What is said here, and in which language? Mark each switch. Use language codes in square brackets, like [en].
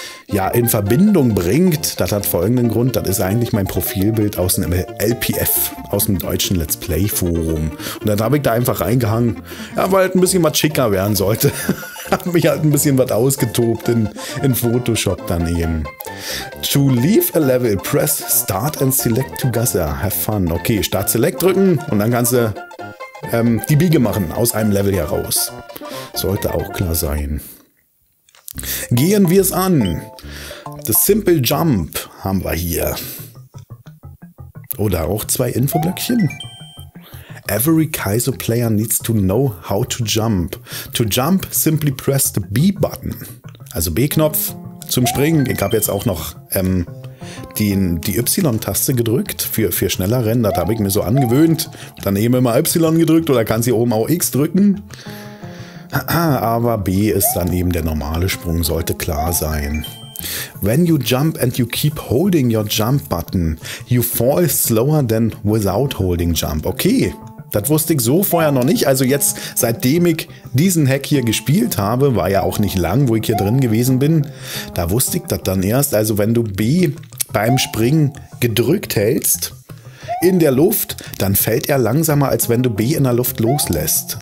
[de] ja, in Verbindung bringt, das hat folgenden Grund. Das ist eigentlich mein Profilbild aus dem LPF, aus dem deutschen Let's Play Forum. Und dann habe ich da einfach reingehangen, ja, weil halt ein bisschen was schicker werden sollte. Habe mich halt ein bisschen was ausgetobt in Photoshop dann eben. [en] To leave a level, press start and select together. Have fun. [de] Okay, Start Select drücken und dann kannst du die Biege machen aus einem Level heraus. Sollte auch klar sein. Gehen wir es an. The Simple Jump haben wir hier. Oder auch zwei Infoblöckchen. [en] Every Kaizo player needs to know how to jump. To jump, simply press the B-Button. [de] Also B-Knopf zum Springen. Ich habe jetzt auch noch die Y-Taste gedrückt für schneller Rennen. Das habe ich mir so angewöhnt. Dann eben immer Y gedrückt oder kannst hier oben auch X drücken. Aber B ist dann eben der normale Sprung, sollte klar sein. [en] When you jump and you keep holding your jump button, you fall slower than without holding jump. [de] Okay, das wusste ich so vorher noch nicht. Also jetzt, seitdem ich diesen Hack hier gespielt habe, war ja auch nicht lang, wo ich hier drin gewesen bin, da wusste ich das dann erst. Also wenn du B beim Springen gedrückt hältst in der Luft, dann fällt er langsamer, als wenn du B in der Luft loslässt.